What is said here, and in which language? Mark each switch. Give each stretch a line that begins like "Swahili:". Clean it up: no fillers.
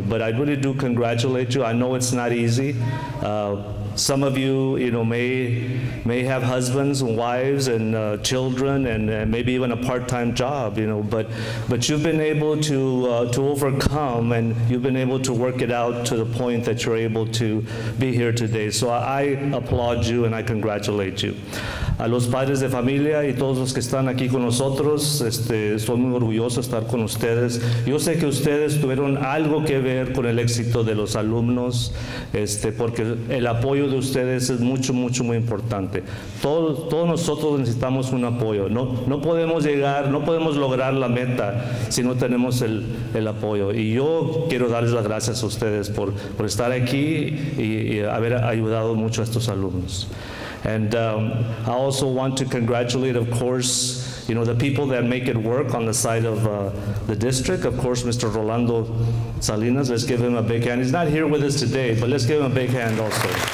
English: But I really do congratulate you. I know it's not easy. Some of you, you know, may have husbands and wives and children and maybe even a part-time job, you know, but you've been able to overcome, and you've been able to work it out to the point that you're able to be here today. So I applaud you and I congratulate you.
Spanish: A los padres de familia y todos los que están aquí con nosotros, soy muy orgulloso de estar con ustedes. Yo sé que ustedes tuvieron algo que ver con el éxito de los alumnos, porque el apoyo de ustedes es mucho, mucho, muy importante. Todos nosotros necesitamos un apoyo. No podemos llegar, no podemos lograr la meta si no tenemos el apoyo. Y yo quiero darles las gracias a ustedes por estar aquí y haber ayudado mucho a estos alumnos.
English: And I also want to congratulate, of course, you know, the people that make it work on the side of the district. Of course, Mr. Rolando Salinas, let's give him a big hand. He's not here with us today, but let's give him a big hand also.